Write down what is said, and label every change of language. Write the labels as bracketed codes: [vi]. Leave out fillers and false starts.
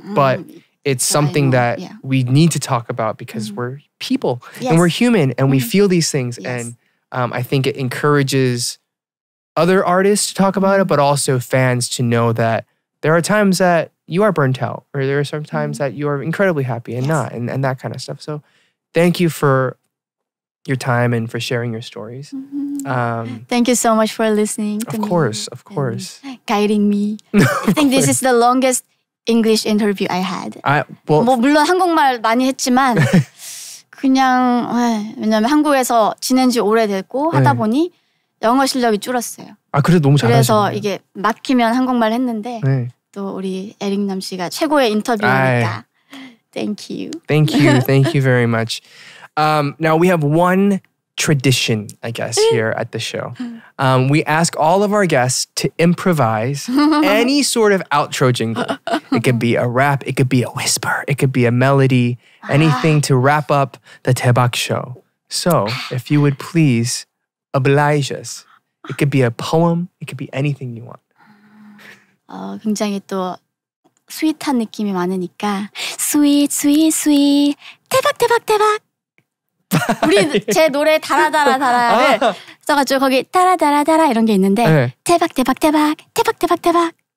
[en] But it's something that we need to talk about because we're people and we're human and we feel these things and I think it encourages other artists to talk about it but also fans to know that there are times that you are burnt out or there are some times that you are incredibly happy and not and that kind of stuff. So thank you for your time and for sharing your stories. Thank you so much for listening to me. Of course. Guiding me. I think this is the longest English interview I had. [ko] 물론 한국말 많이 했지만 그냥 왜냐면 한국에서 지낸 지 오래됐고 하다 보니 영어 실력이 줄었어요. 아 그래도 너무 잘하시네요. 그래서 이게 막히면 한국말 했는데 또 우리 에릭 남 씨가 최고의 인터뷰니까 [en] Thank you very much. Now we have one tradition, I guess, here at the show. We ask all of our guests to improvise any sort of outro jingle. It could be a rap, it could be a whisper, it could be a melody, anything to wrap up the Daebak show. So if you would please oblige us, it could be a poem, it could be anything you want. [ko] 굉장히 또 스윗한 느낌이 많으니까 스윗 스윗 스윗 대박 대박 대박 우리 제 노래 달아달아달아를 써가지고 거기 달아달아달아 이런 게 있는데 네. 대박 대박 대박 대박 대박 대박